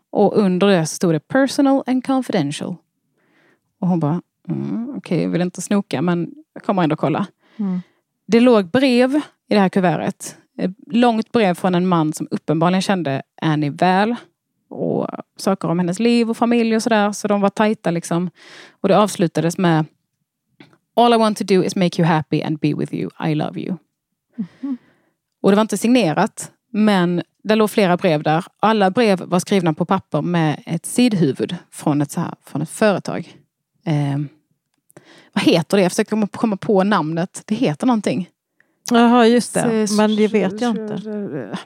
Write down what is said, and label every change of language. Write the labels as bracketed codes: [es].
[sv] Och under det stod det [en] personal and confidential. [sv] Och hon bara, okej, okay, vill inte snoka, men jag kommer ändå kolla. Mm. Det låg brev i det här kuvertet. Ett långt brev från en man som uppenbarligen kände Annie väl. Och saker om hennes liv och familj och sådär. Så de var tajta liksom. Och det avslutades med, [en] all I want to do is make you happy and be with you. I love you. Mm-hmm. [sv] Och det var inte signerat, men det låg flera brev där. Alla brev var skrivna på papper med ett sidhuvud från ett, så här, från ett företag. Vad heter det? Jag försöker komma på namnet. Det heter någonting. Jaha, just det. Men det vet jag inte.